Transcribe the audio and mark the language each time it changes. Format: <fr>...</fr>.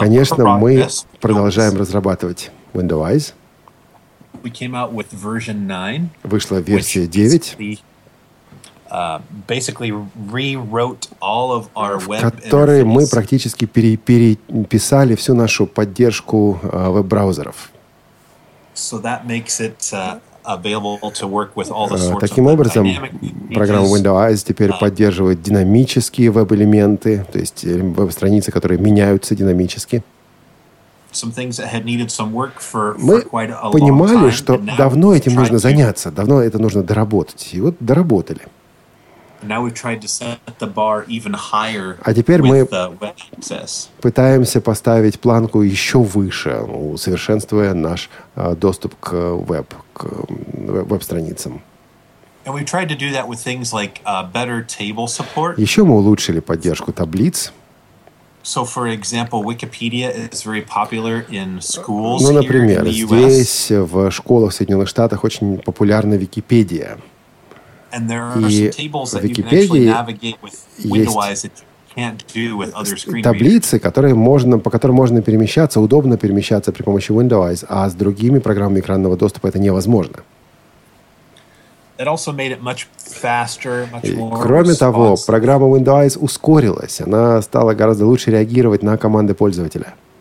<ru>Конечно, мы продолжаем разрабатывать Windows Eyes.</ru> <en>We came out with version 9.</en> <ru>Вышла версия 9.</ru> <en>basically rewrote all of our web</en> <ru>которые мы практически переписали всю нашу поддержку веб-браузеров.</ru> <en>So that makes it available to work with all the sorts of</en> <ru>таким образом, программа Windows Eyes теперь поддерживает динамические веб-элементы, то есть веб-страницы, которые меняются динамически.</ru> <en>Some things that had needed some work for quite a long time.</en> <ru>Мы понимали, что давно этим нужно заняться, давно это нужно доработать. И вот доработали.</ru> <en>Now we've tried to set the bar even higher.</en> <ru>А теперь мы пытаемся поставить планку еще выше, усовершенствуя наш доступ к веб, к веб-страницам.</ru> <en>And we've tried to do that with things like better table support.</en> <ru>Еще мы улучшили поддержку таблиц.</ru> <en>So, for example, Wikipedia is very popular in schools.</en> <ru>Ну, например, здесь в школах Соединенных Штатов очень популярна Википедия.</ru> <en>And there are some tables that you can actually navigate with WindowEyes that you can't do with other screen readers.</en> <ru>Таблицы, которые можно, по которым можно перемещаться, удобно перемещаться при помощи WindowEyes, а с другими программами экранного доступа это невозможно.</ru> <en>It also made it much faster, much more.</en> <ru>Кроме того, программа Windows Eyes ускорилась. Она стала гораздо лучше реагировать на команды пользователя.</ru>